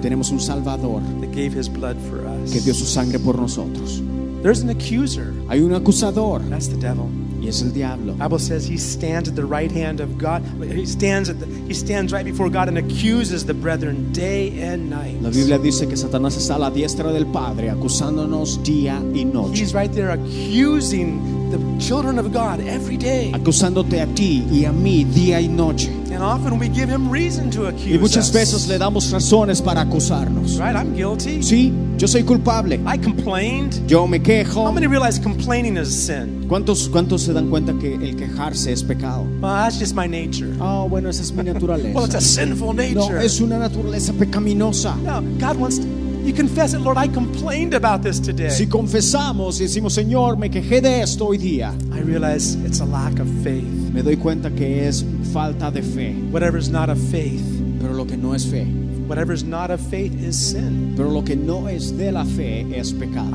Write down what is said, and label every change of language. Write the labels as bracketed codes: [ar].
[es] Tenemos un salvador. [en] That gave his blood for us. [es] Que dio su sangre por nosotros. [en] There's an accuser. [es] Hay un acusador. [en] That's the devil. [es] Y es el diablo. [en] The Bible says he stands at the right hand of God. He stands right before God and accuses the brethren day and night. [es] La Biblia dice que Satanás está a la diestra del Padre acusándonos día y noche. [en] He's right there accusing the children of God every day. [es] Acusándote a ti y a mí día y noche. [en] And often we give him reason to accuse [es] y muchas [en] us. [es] Veces le damos razones para acusarnos. [en] Right, I'm guilty. [es] Sí, yo soy culpable. [en] I complained. [es] Yo me quejo. [en] How many realize complaining is a sin? [es] ¿Cuántos se dan cuenta que el quejarse es pecado? [en] Well, that's just my nature. [es] Oh, bueno, esa es mi naturaleza. [en] Well, it's a sinful nature. [es] No, es una naturaleza pecaminosa. [en] No, God wants to. You confess it, Lord. I complained about this today. [es] Si confesamos y decimos, Señor, me quejé de esto hoy día. [en] I realize it's a lack of faith. [es] Me doy cuenta que es falta de fe. [en] Whatever is not of faith. [es] Pero lo que no es fe. [en] Whatever is not of faith is sin. [es] Pero lo que no es de la fe es pecado.